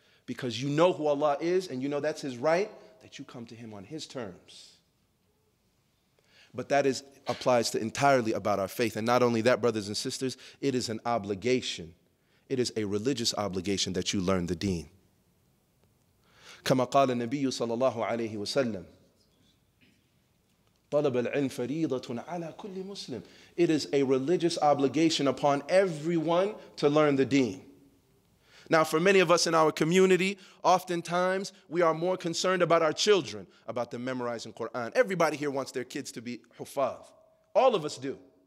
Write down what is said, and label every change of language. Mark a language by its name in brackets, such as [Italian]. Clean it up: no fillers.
[English] Because you know who Allah is and you know that's His right, that you come to Him on His terms. But that applies to entirely about our faith. And not only that, brothers and sisters, it is an obligation. It is a religious obligation that you learn the deen. [Arabic] كما قال النبي صلى الله عليه وسلم طلب العلم فريضة على كل مسلم. [English] It is a religious obligation upon everyone to learn the deen. Now, for many of us in our community, oftentimes we are more concerned about our children, about them memorizing Quran. Everybody here wants their kids to be huffaz. All of us do.